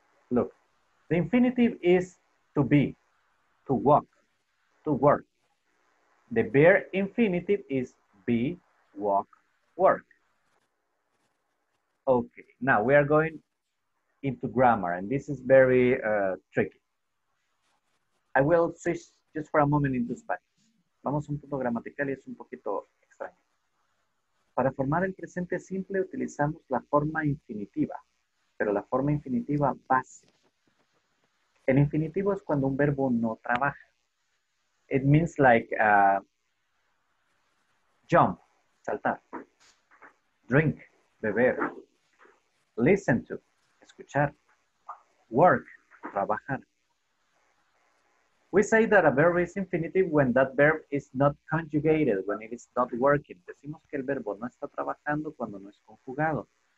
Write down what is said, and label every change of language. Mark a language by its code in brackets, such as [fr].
[en] Look, the infinitive is to be, to walk, to work. The bare infinitive is be, walk, work. Okay, now we are going into grammar, and this is very tricky. I will switch just for a moment into Spanish. [es] Vamos a un punto gramatical y es un poquito extraño. Para formar el presente simple utilizamos la forma infinitiva, pero la forma infinitiva base. El infinitivo es cuando un verbo no trabaja. [en] It means like jump, saltar. Drink, beber. Listen to, escuchar. Work, trabajar. We say that a verb is infinitive when that verb is not conjugated, when it is not working. [es] Decimos que el verbo no está trabajando cuando no es conjugado.